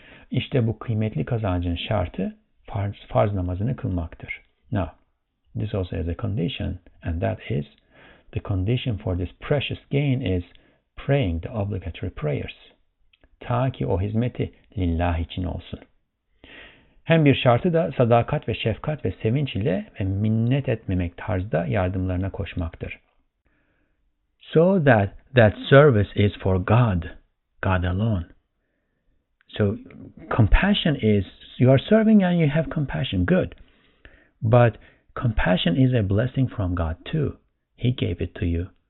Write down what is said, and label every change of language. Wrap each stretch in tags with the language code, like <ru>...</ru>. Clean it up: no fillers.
<tr>İşte bu kıymetli kazancın şartı farz namazını kılmaktır.</tr> <en>Now, this also has a condition, and that is, the condition for this precious gain is praying the obligatory prayers.</en> <tr>Ta ki o hizmeti lillah için olsun. Hem bir şartı da sadakat ve şefkat ve sevinç ile ve minnet etmemek tarzda yardımlarına koşmaktır.</tr> <en>So that service is for God, God alone. So compassion is, you are serving and you have compassion, good. But compassion is a blessing from God too. He gave it to you.</en>